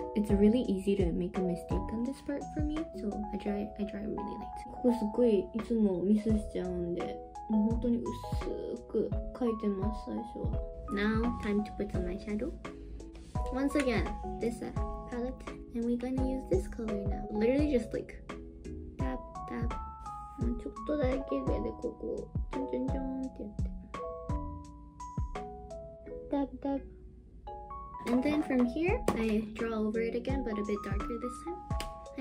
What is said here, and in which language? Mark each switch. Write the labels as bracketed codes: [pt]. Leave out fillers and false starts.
[en] It's really easy to make a mistake on this part for me. So I draw really light. [ja] ここすごいいつもミスしちゃうんで、もう本当に薄く描いてます、最初は。 [en] Now time to put some eyeshadow. Once again, this palette, and we're gonna use this color now. Literally just like tap tap. [ja] ちょっとだけで、でここジョンジョンジョンってやって。 [en] Tap tap. And then from here, I draw over it again, but a bit darker this time.